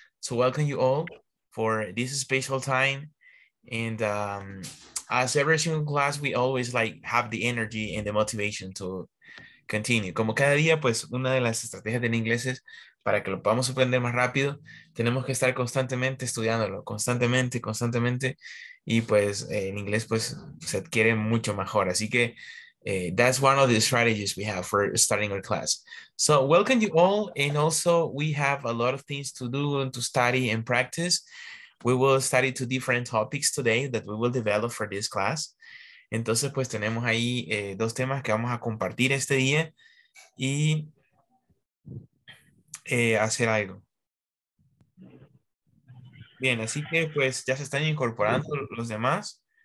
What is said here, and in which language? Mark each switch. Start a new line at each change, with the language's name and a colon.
English: So, welcome you all for this special time. And, as every single class, we always like have the energy and the motivation to continue.
Spanish: Como cada día, pues una de las estrategias del inglés es para que lo podamos aprender más rápido, tenemos que estar constantemente estudiándolo, constantemente, constantemente. Y pues en inglés, pues se adquiere mucho mejor. Así que
English: that's one of the strategies we have for starting our class. So welcome you all. And also we have a lot of things to do and to study and practice. We will study two different topics today that we will develop for this class.
Spanish: Entonces, pues tenemos ahí dos temas que vamos a compartir este día y hacer algo. Bien, así que pues ya se están incorporando los demás.